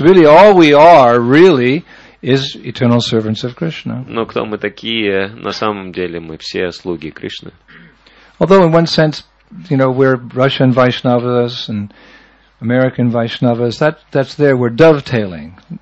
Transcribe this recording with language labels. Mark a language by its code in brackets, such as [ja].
[en] Really, all we are, really, is eternal servants of Krishna. [ru] Но кто мы такие? На самом деле мы все слуги Кришны. [en] Although in one sense, you know, we're Russian Vaishnavas and American Vaishnavas, that's there, we're dovetailing.